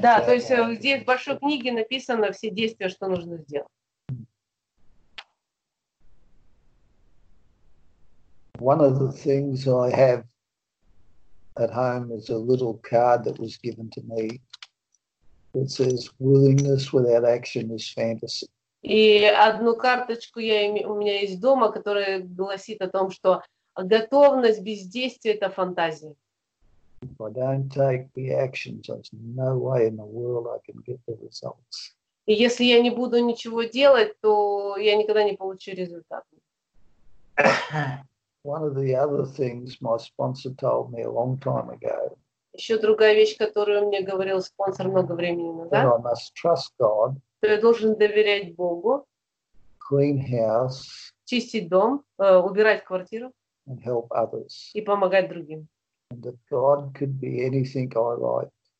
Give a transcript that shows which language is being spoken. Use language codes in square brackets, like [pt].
[ru] Да, то есть здесь в большой книге написано все действия, что нужно сделать. [en] One of the things I have at home is a little card that was given to me that says willingness without action is fantasy. [ru] И одну карточку у меня есть дома, которая гласит о том, что готовность без действия — это фантазия. [en] If I don't take the actions, there's no way in the world I can get the results. [ru] И если я не буду ничего делать, то я никогда не получу результат. [en] One of the other things my sponsor told me a long time ago. [ru] Еще другая вещь, которую мне говорил спонсор много времени назад. [en] That I must trust God. [ru] То я должен доверять Богу. [en] Clean house. [ru] Чистить дом, убирать квартиру. [en] And help others. [ru] И помогать другим. [en] And that God could be anything I like.